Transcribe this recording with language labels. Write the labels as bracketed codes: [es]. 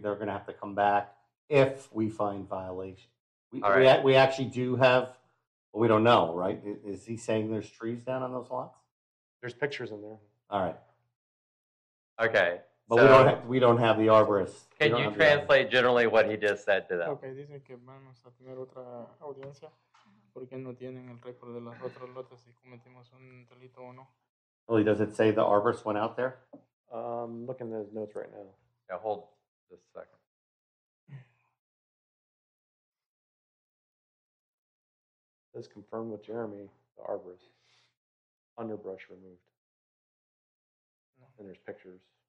[en] They're going to have to come back. If we find violation, we actually do have, well, we don't know, right? Is he saying there's trees down on those lots? There's pictures in there. All right. Okay. But so, we don't have the arborist. Can you translate generally what he just said to them? [es] Okay, dicen que vamos a tener otra audiencia porque no tienen el récord de los otros lotes si cometimos un delito o no. [en] Well, does it say the arborist went out there? I'm looking at his notes right now. Yeah, hold just a second. Is confirmed with Jeremy, the arborist. Underbrush removed. And there's pictures.